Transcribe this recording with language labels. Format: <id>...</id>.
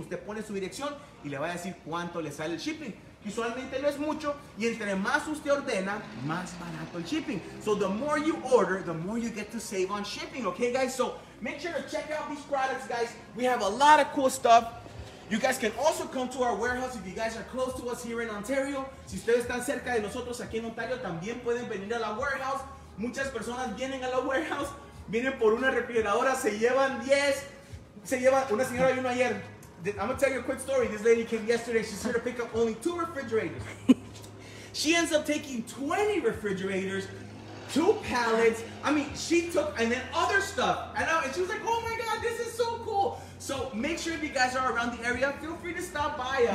<es>Usted pone su dirección y le va a decir cuánto le sale el shipping. Usualmente no es mucho y entre más usted ordena, más barato el shipping.</es> <en>So the more you order, the more you get to save on shipping, okay guys? So make sure to check out these products, guys. We have a lot of cool stuff. You guys can also come to our warehouse if you guys are close to us here in Ontario.</en> <es>Si ustedes están cerca de nosotros aquí en Ontario, también pueden venir a la warehouse. Muchas personas vienen a la warehouse, vienen por una refrigeradora, se llevan 10. Se lleva una señora y uno ayer.</es> <en>I'm going to tell you a quick story. This lady came yesterday. She's here to pick up only 2 refrigerators. She ends up taking 20 refrigerators, 2 pallets. I mean, she took, and then other stuff. And she was like, oh my God, this is so cool. So make sure if you guys are around the area, feel free to stop by.</en>